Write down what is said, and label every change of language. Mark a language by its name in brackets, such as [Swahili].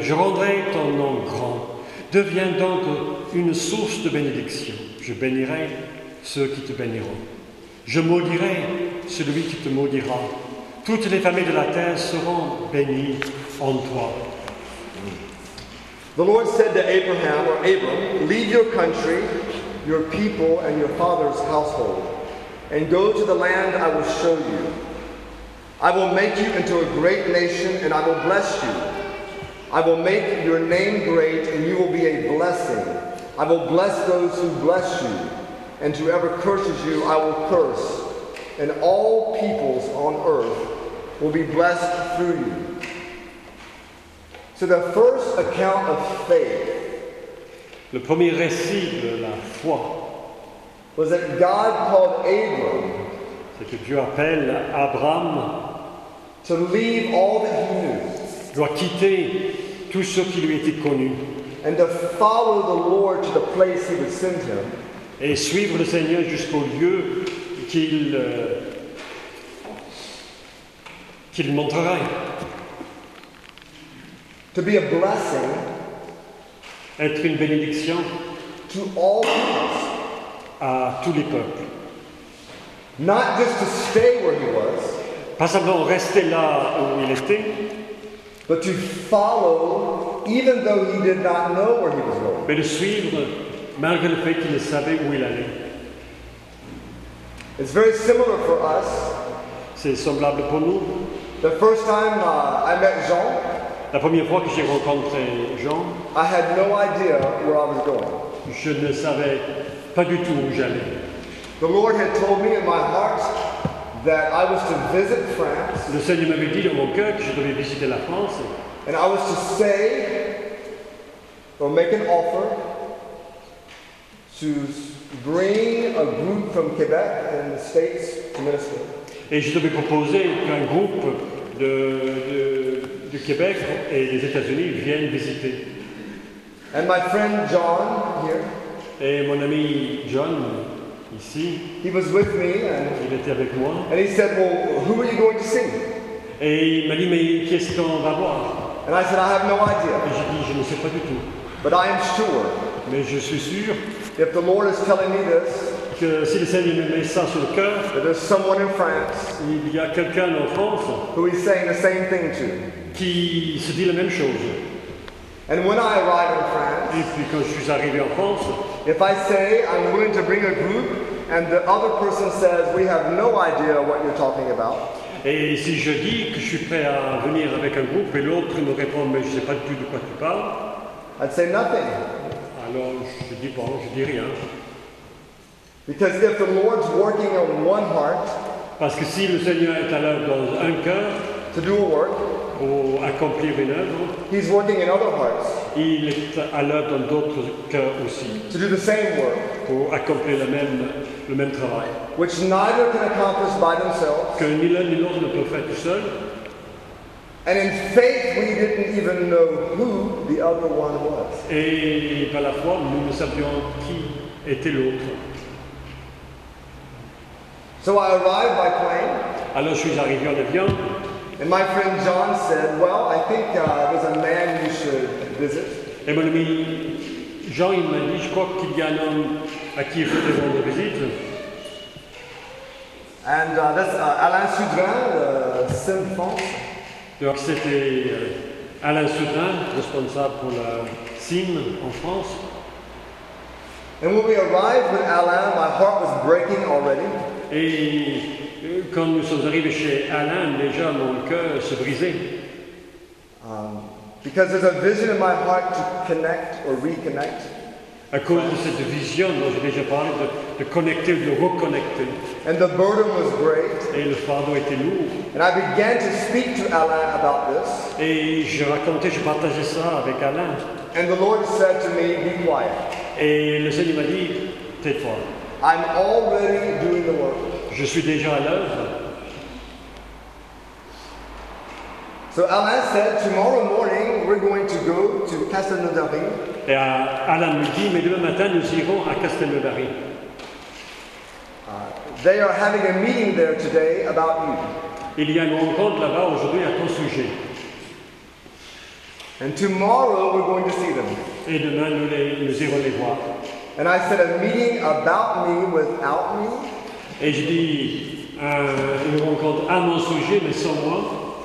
[French] Je rendrai ton nom grand. Deviens donc une source de bénédiction. Je bénirai ceux qui te béniront. Je maudirai celui qui te maudira. Toutes les familles de la terre seront bénies en toi. [English] The Lord said to Abraham, or Abram, leave your country, your people and your father's household, and go to the land I will show you. I will make you into a great nation, and I will bless you. I will make your name great, and you will be a blessing. I will bless those who bless you, and whoever curses you, I will curse. And all peoples on earth will be blessed through you. So the first account of faith, [French] le premier récit de la foi, [English] was that God called Abram, [French] c'est que Dieu appelle Abraham, [English] to leave all that he knew, [French] doit quitter tout ce qui lui était connu, [English] and to follow the Lord to the place he would send him, [French] et suivre le Seigneur jusqu'au lieu qu'il qu'il montrerait, [English] to be a blessing, [French] être une bénédiction [English] to all peoples, [French] à tous les peuples. [English] Not just to stay where he was, [French] pas simplement rester là où il était, [English] but to follow even though he did not know where he was going. [French] Mais de suivre malgré le fait qu'il ne savait où il allait. [English] It's very similar for us. [French] C'est semblable pour nous. [English] The first time I met Jean, [French] la première fois que j'ai rencontré Jean, [English] I had no idea where I was going. [French] Je ne savais pas du tout où j'allais. [English] The Lord had told me in my heart that I was to visit France. [French] Le Seigneur m'avait dit dans mon cœur que je devais visiter la France. [English] And I was to say or make an offer to bring a group from Quebec and the States to minister. [French] Et je devais proposer qu'un groupe de Québec et des États-Unis viennent visiter. [English] And my friend John here. [French] Et mon ami John ici. [English] He was with me. [French] Il était avec moi. [English] And he said, "Well, who are you going to see?" [French] Et il m'a dit, mais qui est-ce qu'on va voir? [English] And I said, "I have no idea." [French] Et j'ai dit, je ne sais pas du tout. [English] But I am sure. [French] Mais je suis sûr. [English] If the Lord is telling me this, [French] que si le Seigneur me met ça sur le cœur, [English] that there's someone in France, [French] il y a quelqu'un en France, [English] who he's saying the same thing to, [French] qui se dit la même chose. [English] And when I arrive in France, [French] et puis quand je suis arrivé en France, [English] if I say I'm willing to bring a group, and the other person says we have no idea what you're talking about, [French] et si je dis que je suis prêt à venir avec un groupe et l'autre me répond mais je ne sais pas du tout de quoi tu parles, [English] I'd say nothing. [French] Alors je dis bon, je dis rien. [English] Because if the Lord's working on one heart, [French] parce que si le Seigneur est à l'œuvre dans un cœur, [English] to do a work, [French] pour accomplir une œuvre, [English] he's working in other hearts, [French] il est à l'œuvre dans d'autres cœurs aussi, [English] to do the same work, [French] pour accomplir le même travail, [English] which neither can accomplish by themselves, [French] que ni l'un ni l'autre ne peut faire tout seul. [English] And in faith, we didn't even know who the other one was. [French] Et par la foi, nous ne savions qui était l'autre. [English] So I arrived by plane. [French] Alors je suis arrivé en avion. [English] And my friend John said, "Well, I think there's a man you should visit." [French] Et mon ami Jean, il m'a dit, je crois qu'il y a un homme à qui il faut rendre visite. [English] And that's Alain Sudrin, the symphon. [French] Donc c'était Alain Soudin, responsable pour la CIM en France. [English] And when we arrived with Alain, my heart was breaking already. [French] Et quand nous sommes arrivés chez Alain, déjà mon cœur se brisait. [English] Because there's a vision in my heart to connect or reconnect. [French] À cause de cette vision dont j'ai déjà parlé, de connecter, de reconnecter. [English] And the burden was great. [French] Et le fardeau était lourd. [English] And I began to speak to Alain about this. [French] Et je racontais, je partageais ça avec Alain. [English] And the Lord said to me, be quiet. [French] Et le Seigneur m'a dit, tais-toi. [English] I'm already doing the work. [French] Je suis déjà à l'œuvre. [English] So Alain said, tomorrow morning we're going to go to Castelnaudary. [French] Et Alain me dit, mais demain matin nous irons à Castelnaudary. [English] They are having a meeting there today about you. [French] Il y a une rencontre là-bas aujourd'hui à ton sujet. [English] And tomorrow we're going to see them. [French] Et demain nous irons les voir. [English] And I said a meeting about me without me. [French] Et je dis une rencontre à mon sujet mais sans moi.